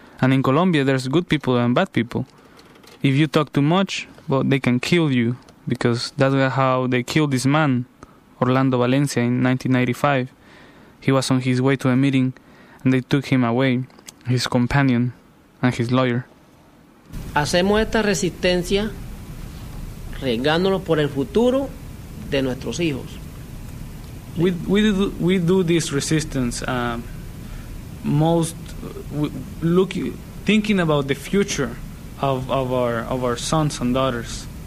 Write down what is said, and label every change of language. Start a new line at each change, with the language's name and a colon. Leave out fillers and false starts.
English: And in Colombia, there's good people and bad people. If you talk too much, well, they can kill you. Because that's how they killed this man, Orlando Valencia, in 1995. He was on his way to a meeting, and they took him away, his companion and his lawyer.
Spanish: Hacemos esta resistencia arriesgándonos por el futuro de nuestros hijos.
English: We do this resistance, thinking about the future of our sons and daughters.